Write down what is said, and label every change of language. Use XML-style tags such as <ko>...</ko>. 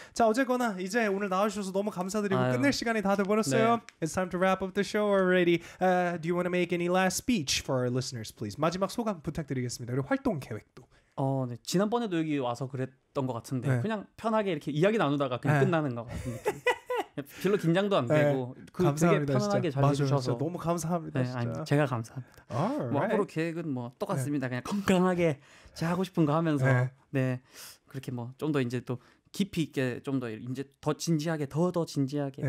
<ko>자, 어쨌거나 이제 오늘 나와주셔서 너무 감사드리고 아유. 끝낼 시간이 다 돼버렸어요. 네.</ko> <en>It's time to wrap up the show already. Do you want to make any last speech for our listeners, please?</en> <ko>마지막 소감 부탁드리겠습니다. 그리고 활동 계획도. 네. 지난번에도 여기 와서 그랬던 것 같은데 네. 그냥 편하게 이렇게 이야기 나누다가 그냥 네. 끝나는 것 같습니다. 별로 긴장도 안 되고 네, 그 감사합니다, 되게 편안하게 진짜. 잘 해주셔서 너무 감사합니다. 네, 아니, 제가 감사합니다.</ko> <en>Alright.</en> <ko>뭐 앞으로 계획은 뭐 똑같습니다. 네. 그냥 건강하게 제가 하고 싶은 거 하면서 네 그렇게 뭐 좀 더 이제 또 깊이 있게 좀 더 이제 더 진지하게 더 진지하게 네.</ko>